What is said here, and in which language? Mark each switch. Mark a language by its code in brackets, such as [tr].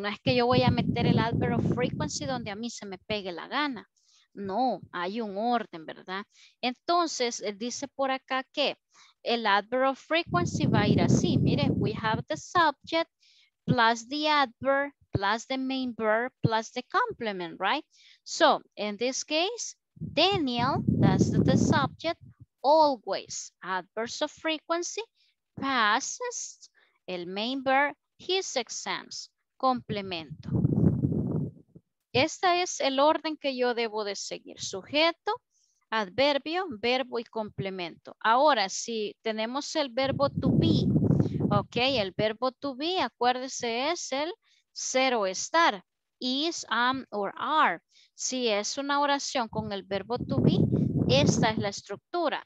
[es] No es que yo voy a meter el adverb of frequency donde a mí se me pegue la gana. No, hay un orden, ¿verdad? Entonces, dice por acá que el adverb of frequency va a ir así. [en] Mire, we have the subject plus the adverb plus the main verb plus the complement, right? So, in this case, Daniel, that's the subject, always, adverbs of frequency, passes el main verb, his exams, complemento. [es] Este es el orden que yo debo de seguir. Sujeto, adverbio, verbo y complemento. Ahora, si tenemos el verbo to be, Ok, el verbo to be, acuérdese, es el cero estar. Is, am, or are. Si es una oración con el verbo to be, esta es la estructura.